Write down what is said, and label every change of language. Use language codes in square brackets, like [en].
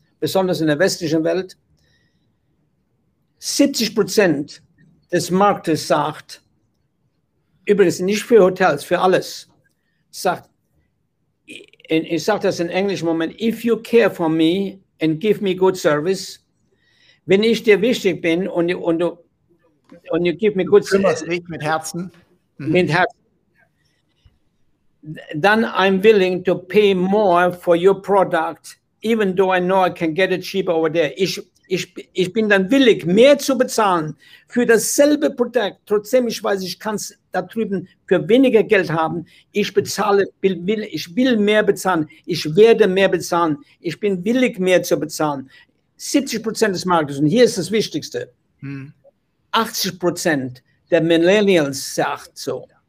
[de] Besonders in der westlichen Welt, 70% des Marktes sagt, übrigens nicht für Hotels, für alles, sagt, ich sage das in Englisch, Moment, [en] if you care for me and give me good service, [de] wenn ich dir wichtig bin und [en] you give me good [de] service, mit Herzen, mit Herzen, [en] then I'm willing to pay more for your product, even though I know I can get it cheaper over there. [de] Ich bin dann willig, mehr zu bezahlen für dasselbe Produkt, trotzdem ich weiß, ich kann es da drüben für weniger Geld haben. Ich bezahle, ich will mehr bezahlen. Ich werde mehr bezahlen. Ich bin willig, mehr zu bezahlen. 70% des Marktes, und hier ist das Wichtigste, 80% der Millennials sagt so.